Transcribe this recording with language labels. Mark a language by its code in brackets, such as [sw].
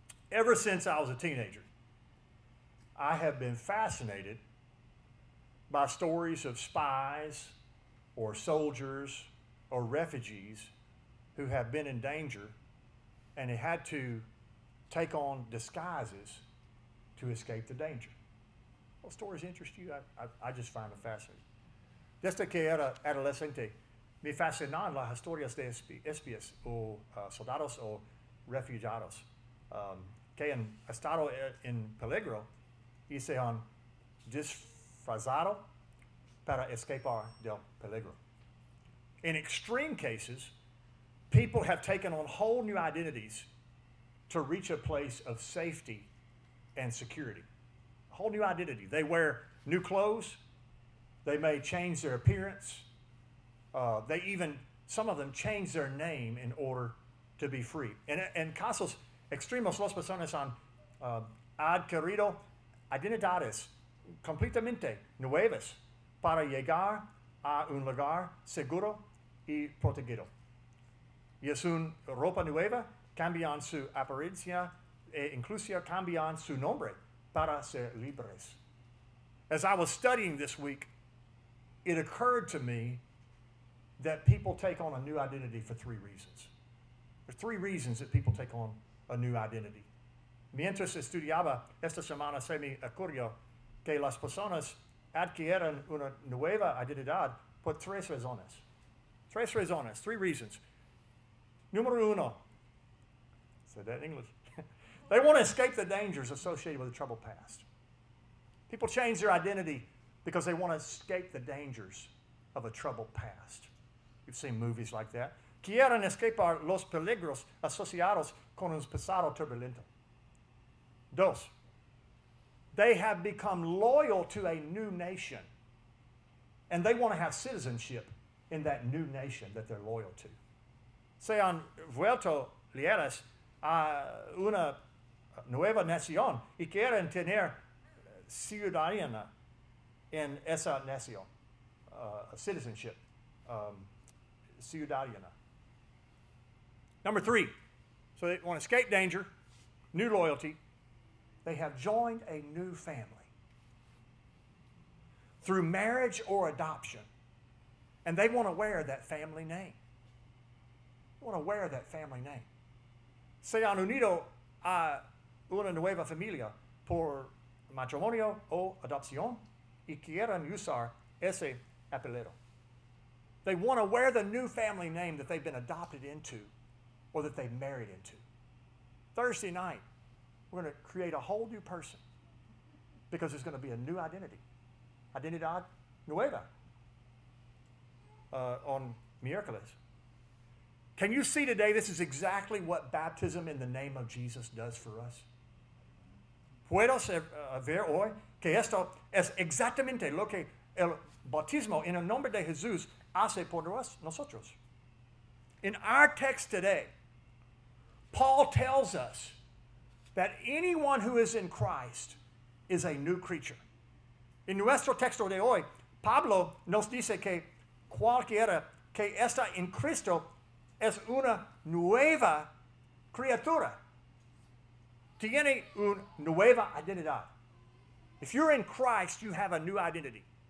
[en] Ever since I was a teenager, I have been fascinated by stories of spies or soldiers or refugees who have been in danger and they had to take on disguises to escape the danger. What stories interest you? I just find them fascinating. [es] Desde que era adolescente, me fascinaban las historias de espías o soldados o refugiados. Que han estado en peligro y se han disfrazado para escapar del peligro. [en] In extreme cases, people have taken on whole new identities to reach a place of safety and security. A whole new identity. They wear new clothes. They may change their appearance. Some of them change their name in order to be free. [es] And casos extremos, las personas han adquirido identidades completamente nuevas para llegar a un lugar seguro y protegido. Y es una ropa nueva, cambian su apariencia e incluso cambian su nombre para ser libres. [en] As I was studying this week, it occurred to me that people take on a new identity for three reasons. There are three reasons that people take on a new identity. [es] Mientras estudiaba esta semana, se me ocurrió que las personas adquieren una nueva identidad por tres razones. Tres razones, [en] three reasons. [es] Número uno, [en] said that in English. They want to escape the dangers associated with the troubled past. People change their identity because they want to escape the dangers of a troubled past. You've seen movies like that. [es] Quieren escapar los peligros asociados con un pasado turbulento. [en] Dos, they have become loyal to a new nation, and they want to have citizenship in that new nation that they're loyal to. [es] Se han vuelto leales a una nueva nación y quieren tener ciudadanía en esa nación, citizenship, ciudadanía. [en] Number three, so they want to escape danger, new loyalty. They have joined a new family through marriage or adoption, and they want to wear that family name. They want to wear that family name. [es] Se han unido a una nueva familia por matrimonio o adopción y quieren usar ese apellido. [en] They want to wear the new family name that they've been adopted into or that they married into. Thursday night, we're going to create a whole new person because there's going to be a new identity. [es] Identidad nueva on miércoles. [en] Can you see today this is exactly what baptism in the name of Jesus does for us? [es] ¿Puedo ver hoy que esto es exactamente lo que el bautismo en el nombre de Jesús hace por nosotros? [en] In our text today, Paul tells us that anyone who is in Christ is a new creature. [es] En nuestro texto de hoy, Pablo nos dice que cualquiera que está en Cristo es una nueva criatura. Tiene una nueva identidad. [en] If you're in Christ, you have a new identity.